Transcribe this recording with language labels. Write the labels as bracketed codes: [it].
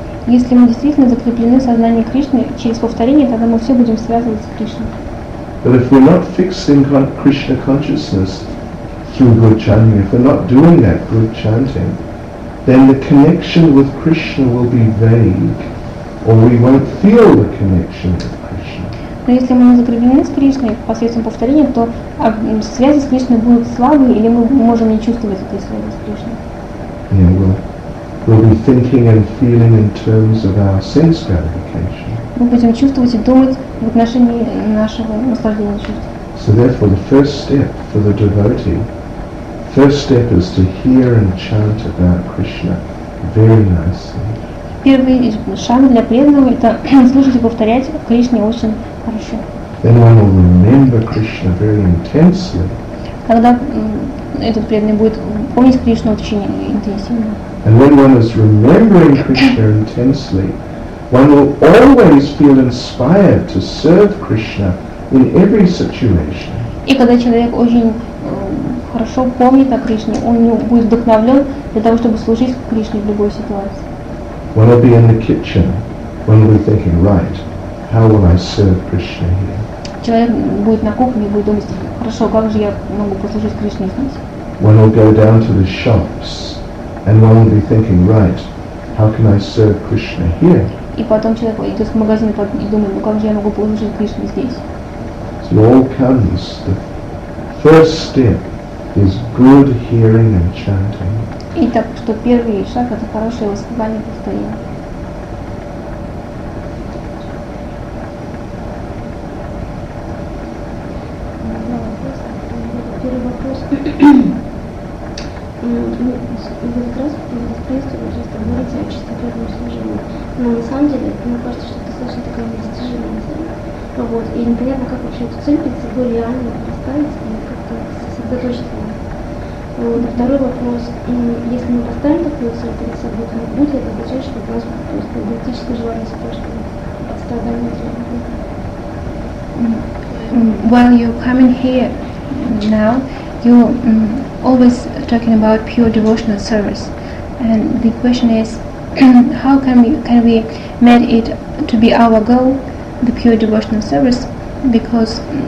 [ru] Если мы действительно закреплены в сознании Кришны через повторение, тогда мы все будем связывать с Кришной. [en] But if we're not fixed in Krishna consciousness through good chanting, if we're not doing that good chanting, then the connection with Krishna will be vague, or we won't feel the connection with Krishna. [ru] Но если мы не закреплены с Кришной посредством повторения, то связи с Кришной будут слабые, или мы можем не чувствовать этой связи с Кришной. [en] Yeah, we'll be thinking and feeling in terms of our sense gratification. [ru] Мы будем чувствовать и думать в отношении нашего наслаждения чувств. [en] So therefore, the first step for the devotee, first step is to hear and chant about Krishna very nicely. [ru] Первый шаг для преданного — это слушать и повторять Кришне очень хорошо. [en] Then one will remember Krishna very intensely. [ru] Когда этот преданный будет помнить Кришну очень интенсивно. [en] And when one is remembering Krishna intensely, one will always feel inspired to serve Krishna in every situation. [ru] И когда человек очень хорошо помнит о Кришне, он будет вдохновлен для того, чтобы служить Кришне в любой ситуации. [en] One will be in the kitchen, one will be thinking, right, how will I serve Krishna here? [ru] Человек будет на кухне и будет думать, хорошо, как же я могу послужить Кришне здесь? [en] One will go down to the shops, and one will be thinking, right, how can I serve Krishna here? [ru] И потом человек идет в магазин и думает, ну как же я могу послужить Кришне здесь? [en] It all comes. The first step is good hearing and chanting. [ru] Итак, что первый шаг — это хорошее воспевание, повторение. Первый вопрос. Вы как раз в принципе уже говорите о чистоплотном служении. Но на самом деле, мне кажется, что это достаточно такая достижимая цель. Вот. И непонятно, как вообще эту цель перед собой реально поставить и как-то сосредоточиться. Вот. Второй вопрос. Если мы поставим такую цель перед собой, то будет ли это означать, что у нас просто эгоистическое желание спрашивать под страдания человека? [en] While you coming here now, you always talking about pure devotional service, and the question is, how can we make it to be our goal, the pure devotional service, because